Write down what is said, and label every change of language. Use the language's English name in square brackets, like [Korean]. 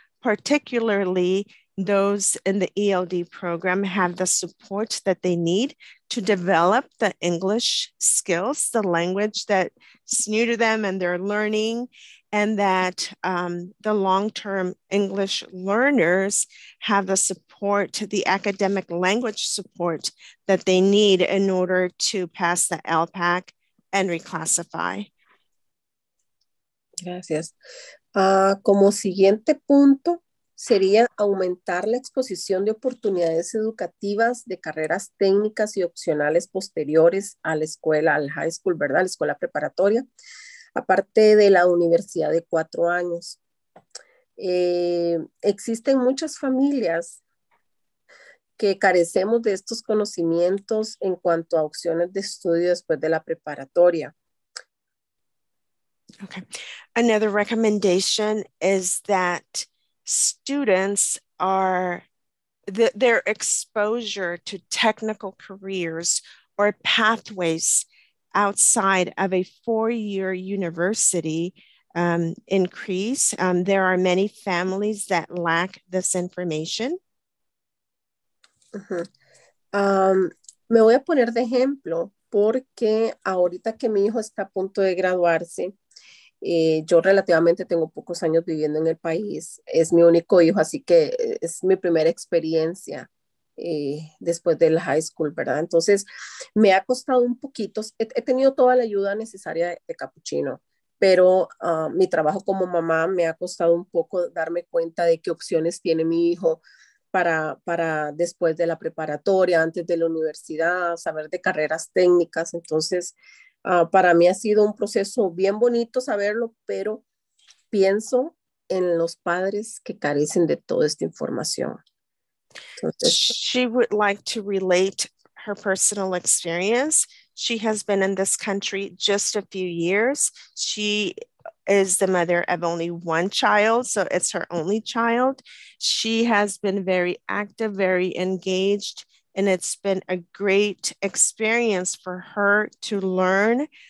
[English] particularly those in the ELD program, have the support that they need to develop the English skills, the language that's new to them and they're learning, and that the long-term English learners have the support, the academic language support that they need in order to pass the LPAC and reclassify. [Spanish] Gracias. Como siguiente punto, sería aumentar la exposición de oportunidades educativas de carreras técnicas y opcionales posteriores a la escuela, al high school, ¿verdad? La escuela preparatoria, aparte de la universidad de 4 años. Existen muchas familias que carecemos de estos conocimientos en cuanto a opciones de estudio después de la preparatoria. [English] Okay. Another recommendation is that students are, their exposure to technical careers or pathways outside of a 4-year university increase. There are many families that lack this information. [Spanish] Me voy a poner de ejemplo porque ahorita que mi hijo está a punto de graduarse, yo relativamente tengo pocos años viviendo en el país, es mi único hijo, así que es mi primera experiencia después del high school, ¿verdad? Entonces me ha costado un poquito, he tenido toda la ayuda necesaria de Capuchino, pero mi trabajo como mamá me ha costado un poco darme cuenta de qué opciones tiene mi hijo para después de la preparatoria, antes de la universidad, saber de carreras técnicas. Entonces Para mí ha sido un proceso bien bonito saberlo, pero pienso en los padres que carecen de toda esta información. [English] Entonces, she would like to relate her personal experience. She has been in this country just a few years. She is the mother of only one child, so it's her only child. She has been very active, very engaged, and it's been a great experience for her to learn.